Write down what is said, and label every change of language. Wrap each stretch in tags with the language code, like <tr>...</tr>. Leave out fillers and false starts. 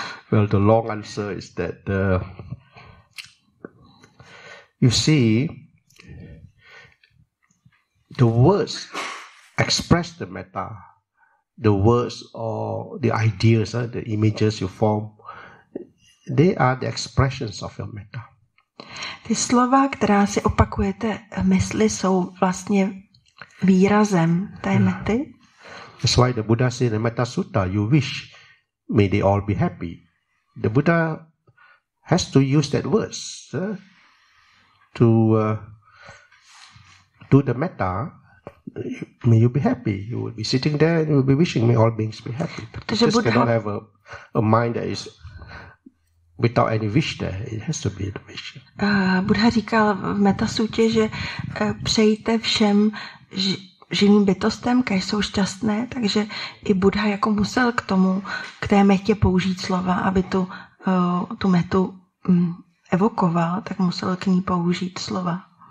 <en>Well, the long answer is that you see, the words express the metta, the words or the ideas, the images you form, they are the expressions of your metta.</en> <cs>Ty slova, která si opakujete v mysli, jsou vlastně výrazem té mety.</cs> <en>That's why the Buddha says in the Metta Sutta, you wish, may they all be happy. The Buddha has to use that words to do the metta. May you be happy. You will be sitting there and you will be wishing, may all beings be happy.</en> <cs>Protože</cs> <en>just cannot have a mind that is without any wish there. It has to be the wish.</en> <cs>Buddha říkal v Metta Sutě, že přejte všem živým bytostem, kež jsou šťastné, takže i Buddha jako musel k tomu, k té metě použít slova, aby tu metu evokoval, tak musel k ní použít slova.</cs>